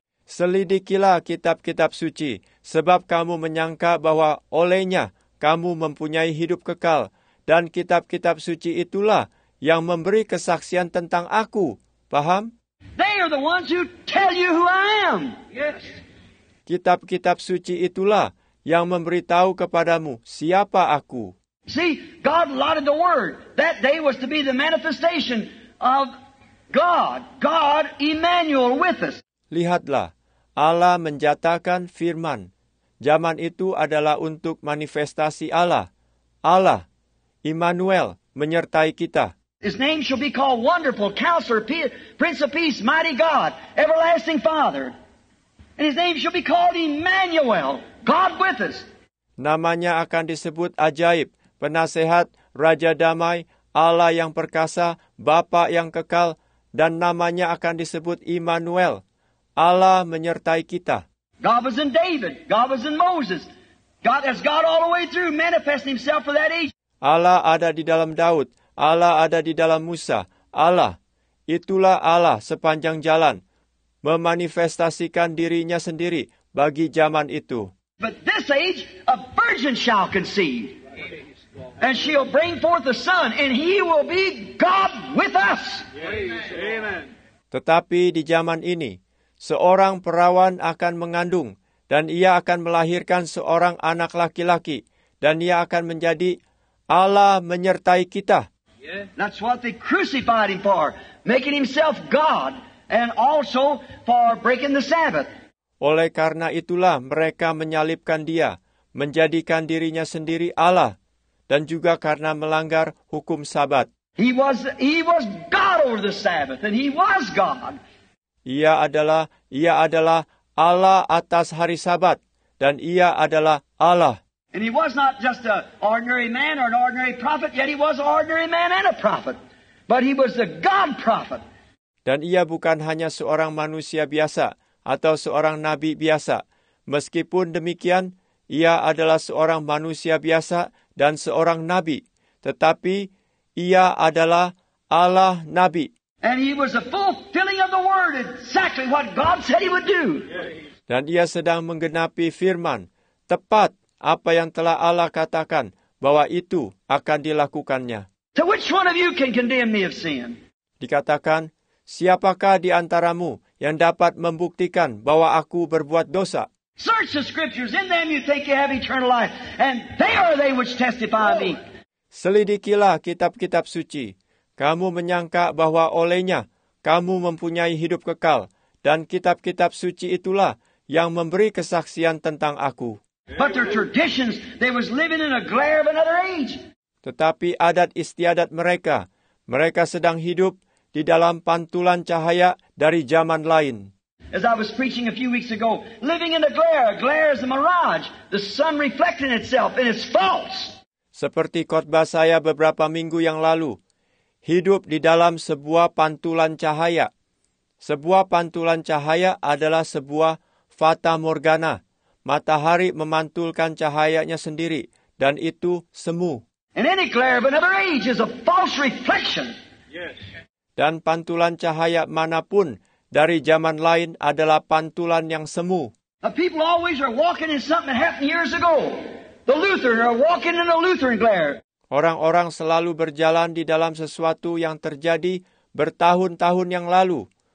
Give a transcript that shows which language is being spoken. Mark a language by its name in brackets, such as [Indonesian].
[Indonesian] Selidikilah kitab-kitab suci, sebab kamu menyangka bahwa olehnya kamu mempunyai hidup kekal, dan kitab-kitab suci itulah yang memberi kesaksian tentang aku. Paham? [English] They are the ones who tell you who I am. Yes. [Indonesian] Kitab-kitab suci itulah yang memberitahu kepadamu siapa aku. [English] See, God allotted the word. That day was to be the manifestation of God. God Emmanuel with us. [Indonesian] Lihatlah, Allah menjatahkan firman. Zaman itu adalah untuk manifestasi Allah. Allah, Immanuel, menyertai kita. [English] His name shall be called Wonderful, Counselor, Prince of Peace, Mighty God, Everlasting Father. And his name shall be called Emmanuel, God with us. [Indonesian] Namanya akan disebut Ajaib, Penasehat, Raja Damai, Allah yang Perkasa, Bapa yang Kekal, dan namanya akan disebut Immanuel, Allah menyertai kita. [English] God was in David, God was in Moses. God has God all the way through manifesting himself for that age. [Indonesian] Allah ada di dalam Daud, Allah ada di dalam Musa, Allah, itulah Allah sepanjang jalan, memanifestasikan dirinya sendiri bagi zaman itu. [English] But this age, a virgin shall conceive, and she'll bring forth a son, and he will be God with us. Amen. [Indonesian] Tetapi di zaman ini, seorang perawan akan mengandung, dan ia akan melahirkan seorang anak laki-laki, dan ia akan menjadi Allah menyertai kita. [English] That's what they crucified him for, making himself God, and also for breaking the Sabbath. [Indonesian] Oleh karena itulah mereka menyalibkan dia, menjadikan dirinya sendiri Allah, dan juga karena melanggar hukum Sabat. [English] He was God over the Sabbath, and he was God. [Indonesian] Ia adalah Allah atas hari Sabat, dan ia adalah Allah. [English] And he was not just an ordinary man or an ordinary prophet, yet he was an ordinary man and a prophet. But he was a God prophet. [Indonesian] Dan ia bukan hanya seorang manusia biasa atau seorang nabi biasa. Meskipun demikian, ia adalah seorang manusia biasa dan seorang nabi. Tetapi ia adalah Allah nabi. [English] And he was a fulfilling of the word, exactly what God said he would do. [Indonesian] Dan ia sedang menggenapi firman, tepat apa yang telah Allah katakan bahwa itu akan dilakukannya. [English] So which one of you can condemn me of sin? [Indonesian] Dikatakan, siapakah di antaramu yang dapat membuktikan bahwa aku berbuat dosa? [English] Search the scriptures, in them you think you have eternal life, and they are they which testify of me. [Indonesian] Selidikilah kitab-kitab suci. Kamu menyangka bahwa olehnya kamu mempunyai hidup kekal, dan kitab-kitab suci itulah yang memberi kesaksian tentang aku. [English] But their traditions, they was living in a glare of another age. [Indonesian] Tetapi adat istiadat mereka, mereka sedang hidup di dalam pantulan cahaya dari zaman lain. [English] As I was preaching a few weeks ago, living in a glare is a mirage, the sun reflecting itself, and it's false. [Indonesian] Seperti khotbah saya beberapa minggu yang lalu, hidup di dalam sebuah pantulan cahaya. Sebuah pantulan cahaya adalah sebuah fata morgana. Matahari memantulkan cahayanya sendiri, dan itu semu. [English] And any glare of another age is a false reflection. Yes. [Indonesian] Dan pantulan cahaya manapun dari zaman lain adalah pantulan yang semu. [English] The people always are walking in something that happened years ago. The Lutheran are walking in the Lutheran glare. [Indonesian] Orang-orang selalu berjalan di dalam sesuatu yang terjadi bertahun-tahun yang lalu.